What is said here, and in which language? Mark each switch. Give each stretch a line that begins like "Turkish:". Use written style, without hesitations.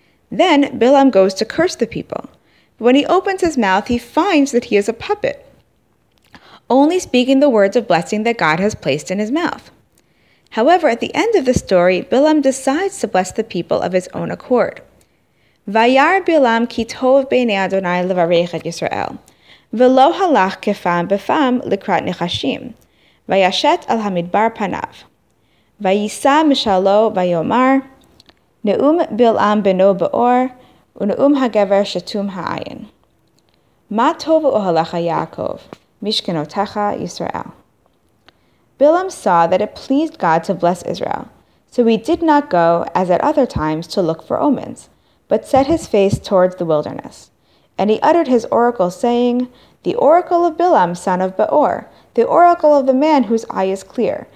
English: Then Bil’am goes to curse the people. When he opens his mouth, he finds that he is a puppet, only speaking the words of blessing that God has placed in his mouth. However, at the end of the story, Bil’am decides to bless the people of his own accord.
Hebrew: Vayar Bil’am ki tov b'nei Adonai levarech et Yisrael. ולא הלך כפעם בפעם לקראת נחשים, וישת על המדבר פניו. וישא משלו ויאמר, נאום בלעם בנו באור, ונאום הגבר שתום העין. מה טוב אוהלך יעקב, משכנותך ישראל.
English: Bil’am saw that it pleased God to bless Israel, so he did not go, as at other times, to look for omens, but set his face towards the wilderness. And he uttered his oracle, saying, The oracle of Bil’am, son of Beor, the oracle of the man whose eye is clear.